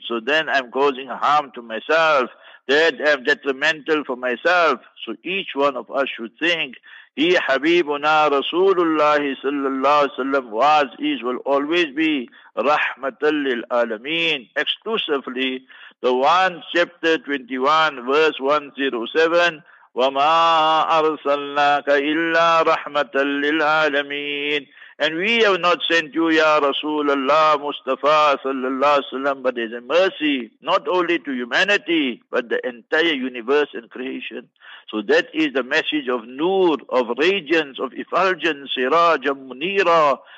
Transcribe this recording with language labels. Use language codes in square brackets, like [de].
[en] So then I'm causing harm to myself, that I'm detrimental for myself. So each one of us should think, he Habibuna Rasulullah sallallahu alayhi wa sallam was, is, will always be [ar] رَحْمَةً لِلْعَالَمِينَ, [en] exclusively the one. Chapter 21, verse 107, [ar] وَمَا أَرْسَلْنَاكَ إِلَّا رَحْمَةً لِلْعَالَمِينَ. [en] And we have not sent you, Ya Rasulullah Mustafa sallallahu alayhi wa sallam, but as a mercy, not only to humanity, but the entire universe and creation. So that is the message of Nur, of Radiance, of Effulgence, Siraj, Munira.